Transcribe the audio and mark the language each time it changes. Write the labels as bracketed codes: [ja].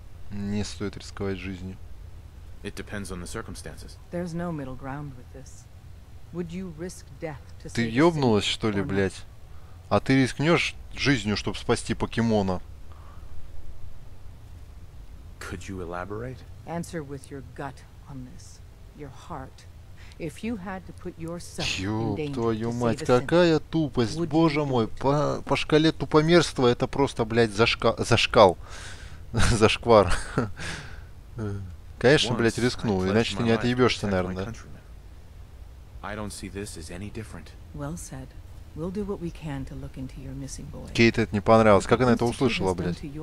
[ru] Не стоит рисковать жизнью. [en] It depends on the circumstances. There's no middle ground with this. Would you risk death to save? [ru] Ты ёбнулась, что ли, блять? А ты рискнешь жизнью, чтобы спасти покемона? [en] Could you elaborate? Answer with your gut on this. Your heart. If you had to put yourself in danger, [ru] твою мать, какая тупость, боже мой, по шкале тупомерства это просто, блядь, зашкал, зашквар. Конечно, блядь, рискну, иначе ты не отъебешься, наверное. [en] I don't see this as any different. Well said. We'll do what we can to look into your missing boy. [ru] Кейт это не понравилось, как она это услышала, блядь?